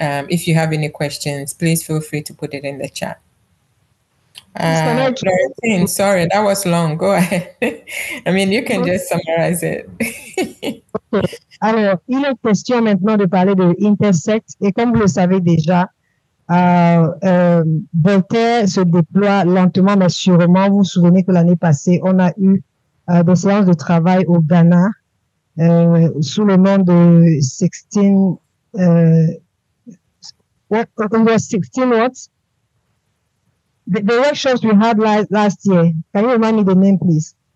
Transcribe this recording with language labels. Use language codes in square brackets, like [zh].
[en] If you have any questions, please feel free to put it in the chat. Sorry, that was long. Go ahead. I mean, you can just summarize it. [fr] Okay. Alors, il est question maintenant de parler de Intersect. Et comme vous le savez déjà, Voltaire se déploie lentement, mais sûrement. Vous vous souvenez que l'année passée, on a eu des séances de travail au Ghana sous le nom de 16 watts. [en] The workshops we had last year, can you remind me the name, please?